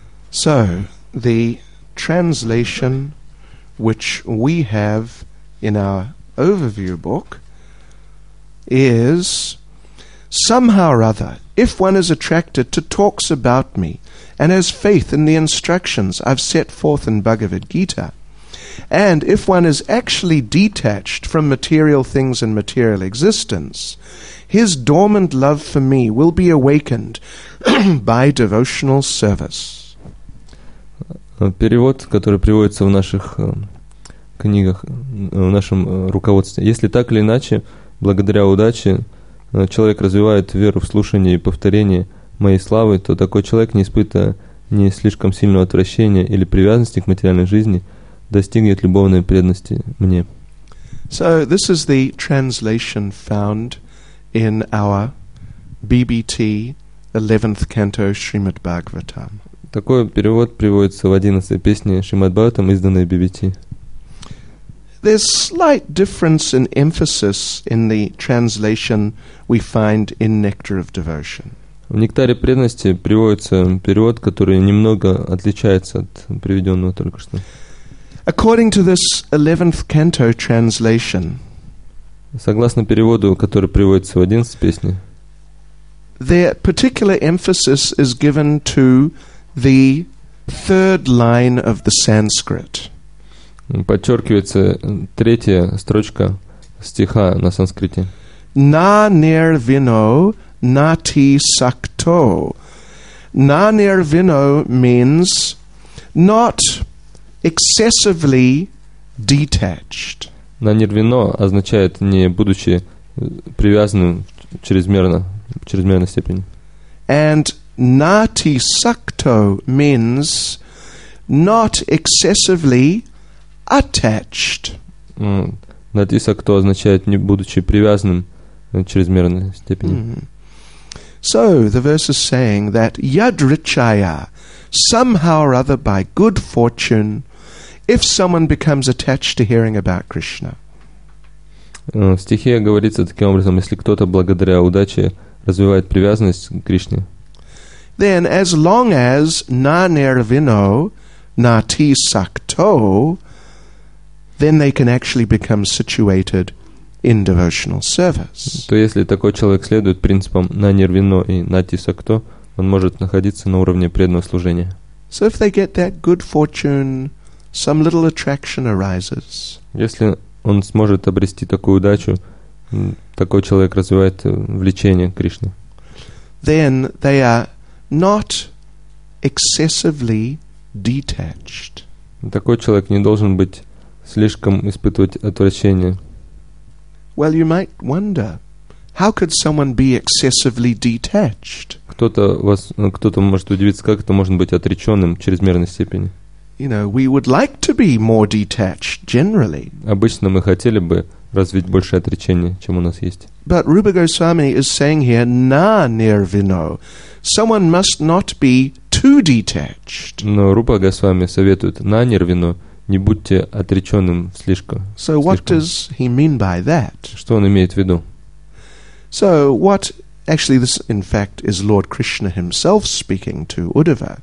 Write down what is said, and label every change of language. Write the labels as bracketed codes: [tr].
[en] So, the translation which we have in our overview book is somehow or other, if one is attracted to talks about me and has faith in the instructions I've set forth in Bhagavad Gita, and if one is actually detached from material things and material existence, his dormant love for me will be awakened by devotional service. [ru] Перевод, который приводится в наших книгах, в нашем руководстве. Если так или иначе, благодаря удаче, человек развивает веру в слушание и повторение моей славы, то такой человек, не испытывая ни слишком сильного отвращения или привязанности к материальной жизни, достигнет любовной преданности мне. [en] So, this is the translation found in our BBT 11th canto Srimad Bhagavatam. [ru] Такой перевод приводится в 11-й песне Шримад-Бхагаватам, изданной BBT. [en] There's slight difference in emphasis in the translation we find in Nectar of Devotion. [ru] В Нектаре преданности приводится перевод, который немного отличается от приведенного только что. [en] According to this 11th canto translation. [ru] Согласно переводу, который приводится в 11-й песне. [en] Their particular emphasis is given to the third line of the Sanskrit. [ru] Подчеркивается третья строчка стиха на санскрите. [sa] На нервино нати сакто. [en] На нервино means not excessively detached. [ru] На нервино означает не будучи привязанным чрезмерно, в чрезмерной степени. [en] And нати сакто means not excessively attached. [ru] Натиса, кто означает не будучи привязанным в чрезмерной степени. [en] So the verse is saying that Yadrichaya, somehow or other by good fortune, if someone becomes attached to hearing about Krishna. [ru] Стихия говорится таким образом, если кто-то благодаря удаче развивает привязанность к Кришне. [en] Then as long as na nirvino nati sakto, then they can actually become situated in devotional service. [ru] То если такой человек следует принципам на нервино и нати сакто, он может находиться на уровне преданного служения. [en] So if they get that good fortune, some little attraction arises. [ru] Если он сможет обрести такую удачу, такой человек развивает влечение к Кришне. [en] Then they are not excessively detached. [ru] Такой человек не должен быть слишком испытывать отвращение. [en] Well, you might wonder, how could someone be excessively detached? [ru] Кто-то может удивиться, как это может быть отреченным в чрезмерной степени. [en] You know, we would like to be more detached generally. [ru] Обычно мы хотели бы развить больше отречения, чем у нас есть. [en] But Rupa Goswami is saying here, na nirvino. Someone must not be too detached. [ru] Но Рупа Госвами советует, на нирвино, не будьте отреченным слишком. [en] So what does he mean by that? [ru] Что он имеет в виду? [en] So what actually this in fact is Lord Krishna himself speaking to Uddhava.